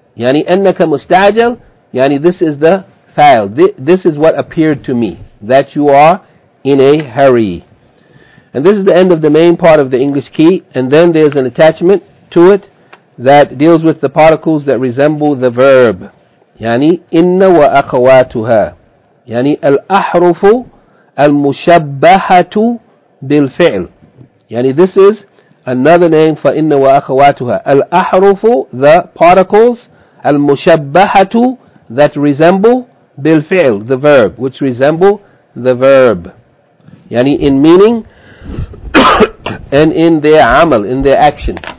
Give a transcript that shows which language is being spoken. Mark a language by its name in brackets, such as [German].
[English] Yani annaka musta'ajil, yani this is the fa'il. This is what appeared to me, that you are in a hurry. And this is the end of the main part of the English key, and then there's an attachment to it that deals with the particles that resemble the verb. [Arabic] يعني إن وأخواتها يعني الأحرف المشبهة بالفعل. [English] يعني this is another name for إن وأخواتها. الأحرف, the particles, المشبهة, that resemble بالفعل, the verb, which resemble the verb. يعني in meaning and in their عمل, in their action.